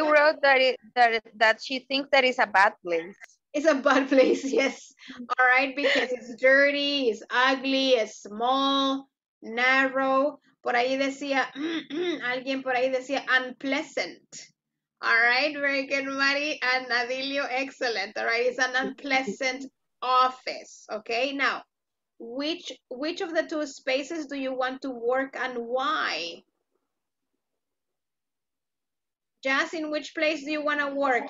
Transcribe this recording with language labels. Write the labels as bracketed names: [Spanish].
[English] We wrote that she thinks that it's a bad place. It's a bad place, yes. All right, because it's dirty, it's ugly, it's small, narrow. [Spanish] Por ahí decía, alguien por ahí decía unpleasant. [English] All right, very good, Mari and Adilio, excellent. All right, it's an unpleasant office. Okay, now, which of the two spaces do you want to work and why? Jazz, in which place do you want to work?